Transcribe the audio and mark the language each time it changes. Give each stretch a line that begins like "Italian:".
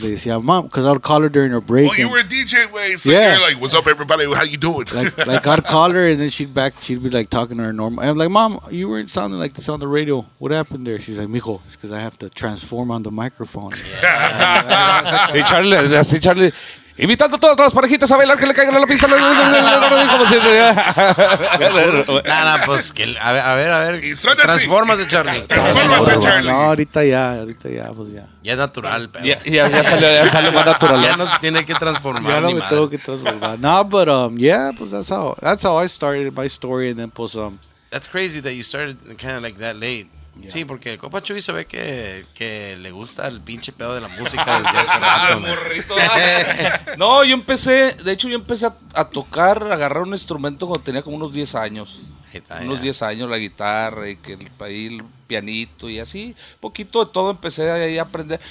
Spanish: Le decía,
English: mom, because I would call her during her break. Well, you were a DJ, way, so yeah. You're like, what's up, everybody? How you doing? Like I'd call her, and then she'd be like talking to her normal. I'm like, mom, you weren't sounding like this on the radio. What happened there? She's like, mijo, it's because I have to transform on the microphone. Hey, Charlie, that's it, Charlie.
Spanish: Invitando a todas las parejitas a bailar, que le caigan a la pista. No, pues, a ver. Transformate, Charlie. Ahorita ya, pues ya. Ya es natural, pero. Ya salió más natural. Ya no se tiene que transformar. Ya no me tengo que transformar.
English: No, but, yeah, pues that's how I started my story. And then, pues, That's crazy that you started kind of like that late. Yeah.
Spanish: Sí, porque el compa Chuy se ve que le gusta el pinche pedo de la música desde hace rato. No, yo empecé, de hecho yo empecé a tocar, a agarrar un instrumento cuando tenía como unos 10 años. Unos 10 años, la guitarra y el pianito y así, poquito de todo empecé ahí a aprender.